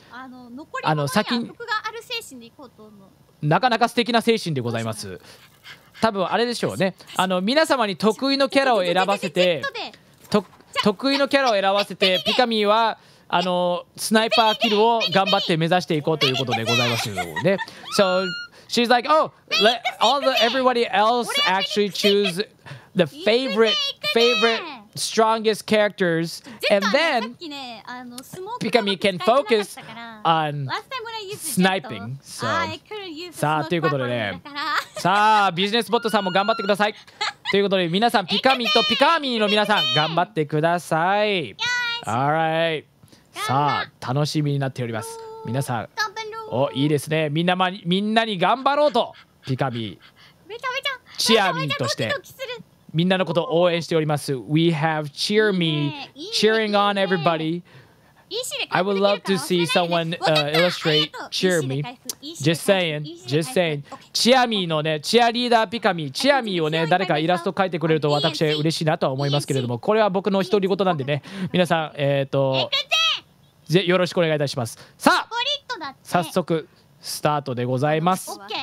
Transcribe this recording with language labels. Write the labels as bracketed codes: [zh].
[ja] あの残りの得がある精神でいこうと思う。なかなか素敵な精神でございます。多分あれでしょうね、あの皆様に得意のキャラを選ばせて、得意のキャラを選ばせてピカミはあのスナイパーキルを頑張って目指していこうということでございますね。 [en] So she's like, oh, let all the everybody else actually choose the favorite strongest characters, and then Pikamee can focus on sniping. [ja] So, さあということでね、さあビジネスボットさんも頑張ってくださいということで、皆さんピカミとピカミの皆さん頑張ってください。 [en] All right。 [ja] さあ楽しみになっております。皆さん、おいいですね、みんな、ま、みんなに頑張ろうとピカミチアミとしてみんなのことを応援しております。 [en] We have cheer me cheering on everybody。 I would love to see someone illustrate cheer me。 Just saying [ja] チアミのね、チアリーダーピカミ、チアミをね、誰かイラスト描いてくれると私嬉しいなとは思いますけれども、これは僕の独り言なんでね、皆さんよろしくお願いいたします。さあ早速スタートでございます。